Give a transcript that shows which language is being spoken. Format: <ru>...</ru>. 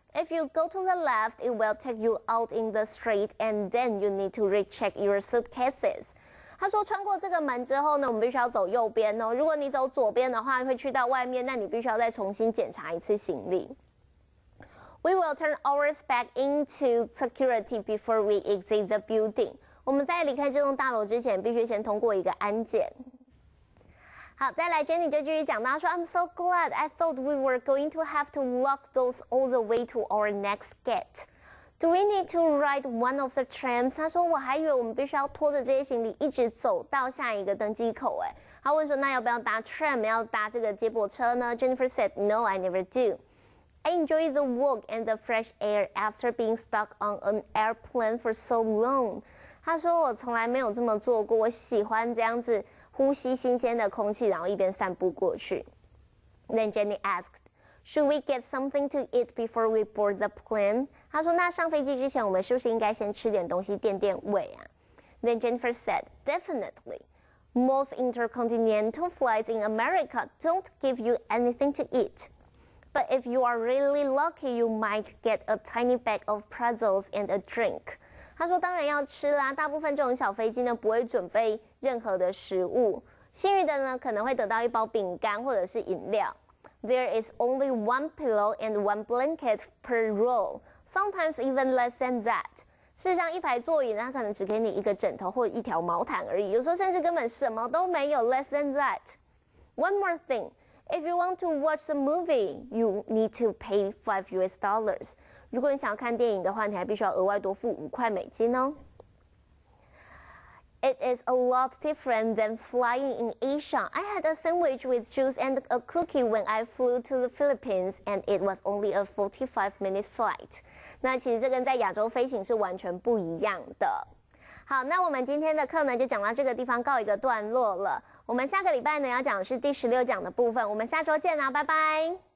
<en>If you go to the left, it will take you out in the street, and then you need to recheck your suitcases.</en> <zh>他说穿过这个门之后呢，我们必须要走右边哦。如果你走左边的话，会去到外面，那你必须要再重新检查一次行李。</zh> <en>We will turn ours back into security before we exit the building.</en> <zh>我们在离开这栋大楼之前，必须先通过一个安检。好，再来 Jenny 就继续讲到说</zh> <en>I'm so glad I thought we were going to have to lock those all the way to our next gate. Do we need to ride one of the trams?</en> <zh>他说我还以为我们必须要拖着这些行李一直走到下一个登机口耶。他问说那要不要搭 tram, 要搭这个接驳车呢？</zh> <en>Jennifer said, No, I never do. I enjoy the walk and the fresh air after being stuck on an airplane for so long.</en> <zh>他说我从来没有这么做过，我喜欢这样子呼吸新鲜的空气，然后一边散步过去。</zh> <en>Then Jenny asked, "Should we get something to eat before we board the plane?"</en> <zh>她说：“那上飞机之前，我们是不是应该先吃点东西垫垫胃啊？”</zh> <en>Then Jennifer said, "Definitely. Most intercontinental flights in America don't give you anything to eat, but if you are really lucky, you might get a tiny bag of pretzels and a drink."</en> <zh>她说：“当然要吃啦，大部分这种小飞机呢不会准备。” 任何的食物，幸运的呢可能会得到一包饼干或者是饮料。</zh> <en>There is only one pillow and one blanket per row, sometimes even less than that.</en> <zh>事实上，一排座椅呢，它可能只给你一个枕头或一条毛毯而已，有时候甚至根本什么都没有 ，</zh> <en>less than that. One more thing, if you want to watch the movie, you need to pay $5.</en> <zh>如果你想要看电影的话，你还必须要额外多付$5哦。</zh> <en>It is a lot different than flying in Asia. I had a sandwich with juice and a cookie when I flew to the Philippines, and it was only a 45-minute flight.</en> <zh>那其实这跟在亚洲飞行是完全不一样的。好，那我们今天的课呢，就讲到这个地方告一个段落了。我们下个礼拜呢，要讲的是第16讲的部分。我们下周见啦，拜拜。</zh>